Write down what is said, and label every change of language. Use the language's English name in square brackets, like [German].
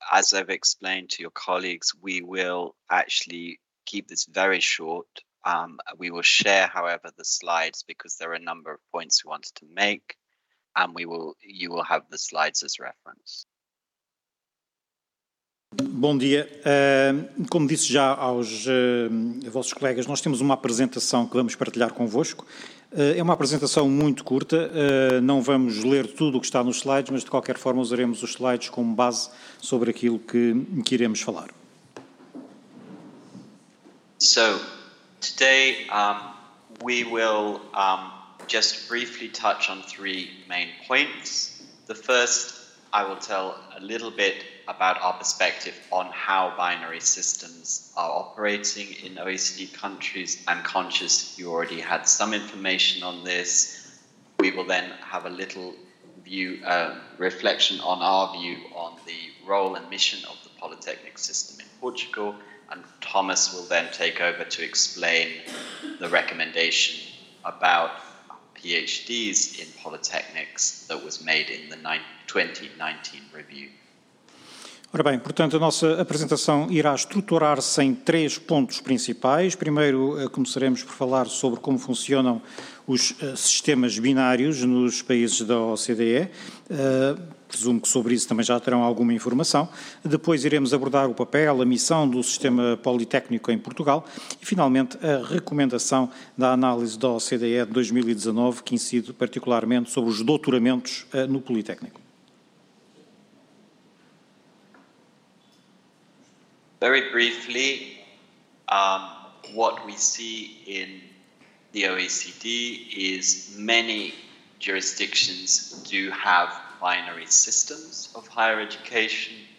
[English] As I've explained to your colleagues, we will actually keep this very short. We will share, however, the slides because there are a number of points we wanted to make, and you will have the slides as reference. [Portuguese] Bom dia. Como disse já aos vossos colegas, nós temos uma apresentação que vamos partilhar convosco. É uma apresentação muito curta, não vamos ler tudo o que está nos slides, mas de qualquer forma usaremos os slides como base sobre aquilo que iremos falar. [English] So, today we will just briefly touch on three main points. The first, I will tell a little bit about our perspective on how binary systems are operating in OECD countries. I'm conscious you already had some information on this. We will then have a little view, reflection on our view on the role and mission of the polytechnic system in Portugal. And Thomas will then take over to explain the recommendation about PhDs in polytechnics that was made in the 2019 review. [Portuguese] Ora bem, portanto, a nossa apresentação irá estruturar-se em três pontos principais. Primeiro, começaremos por falar sobre como funcionam os sistemas binários nos países da OCDE. Presumo que sobre isso também já terão alguma informação. Depois iremos abordar o papel, a missão do sistema politécnico em Portugal e, finalmente, a recomendação da análise da OCDE de 2019, que incide particularmente sobre os doutoramentos no politécnico. [English] Very briefly, what we see in the OECD is many jurisdictions do have binary systems of higher education.